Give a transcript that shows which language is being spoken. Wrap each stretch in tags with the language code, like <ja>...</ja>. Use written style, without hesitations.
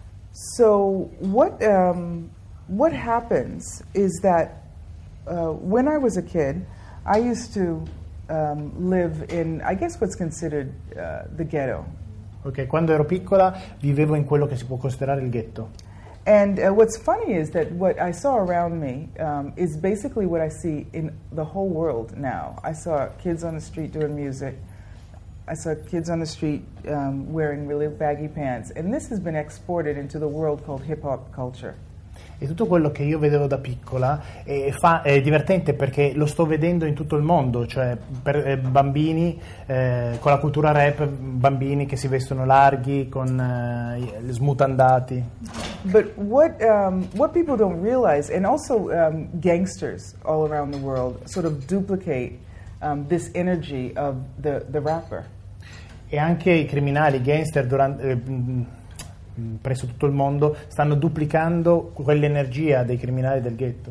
<en>So what happens is that when I was a kid, I used to live in, I guess, what's considered the ghetto.</en> <it>Ok, quando ero piccola vivevo in quello che si può considerare il ghetto.</it> <en>And what's funny is that what I saw around me is basically what I see in the whole world now. I saw kids on the street doing music. I saw kids on the street wearing really baggy pants. And this has been exported into the world called hip-hop culture.</en> <it>E tutto quello che io vedevo da piccola è divertente perché lo sto vedendo in tutto il mondo, cioè per bambini con la cultura rap, bambini che si vestono larghi, con gli smutandati.</it> <en>But what people don't realize, and also gangsters all around the world sort of duplicate this energy of the rapper.</en> <it>E anche i criminali, i gangster, durante, presso tutto il mondo, stanno duplicando quell'energia dei criminali del ghetto.</it>